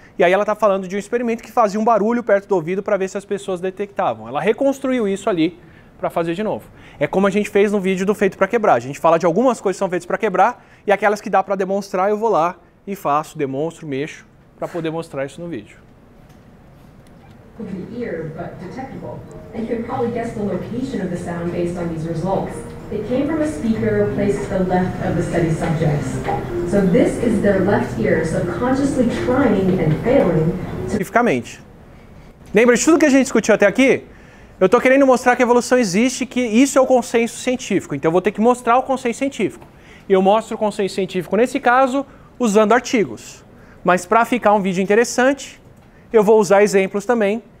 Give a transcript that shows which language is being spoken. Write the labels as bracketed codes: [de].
[pt] E aí ela está falando de um experimento que fazia um barulho perto do ouvido para ver se as pessoas detectavam. Ela reconstruiu isso ali para fazer de novo. É como a gente fez no vídeo do Feito para Quebrar. A gente fala de algumas coisas que são feitas para quebrar e aquelas que dá para demonstrar, eu vou lá e faço, demonstro, mexo para poder mostrar isso no vídeo. [en] Could be ear, but detectable. And you can probably guess the location of the sound based on these results. It came from a speaker placed to the left of the study subjects. So this is their left ear subconsciously trying and failing to... [pt] Significamente. Lembra de tudo que a gente discutiu até aqui? Eu estou querendo mostrar que a evolução existe, que isso é o consenso científico. Então eu vou ter que mostrar o consenso científico. E eu mostro o consenso científico, nesse caso, usando artigos. Mas para ficar um vídeo interessante, eu vou usar exemplos também.